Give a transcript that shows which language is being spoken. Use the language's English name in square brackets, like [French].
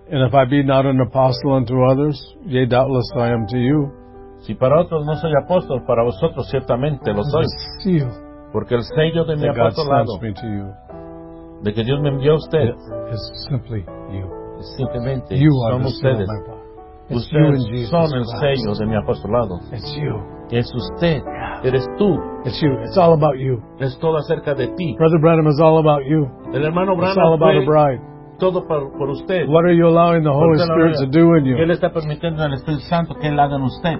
[English] And if I be not an apostle unto others, yea, doubtless I am to you. [Spanish] Si para otros no soy apóstol, para vosotros ciertamente lo soy. Porque el sello de mi apostolado, de que Dios me envió a usted, es simplemente son ustedes. Ustedes son el sello de mi apostolado. Es usted. Eres tú. [English] It's you. It's all about you. [Spanish] Es todo acerca de ti. [English] Brother Branham is all about you. [Spanish] El hermano Branham, [English] it's all about the bride. [Spanish] Todo por usted. [English] What are you allowing the Holy Spirit to do in you? [Spanish] ¿Qué le está permitiendo al Espíritu Santo que él haga en usted?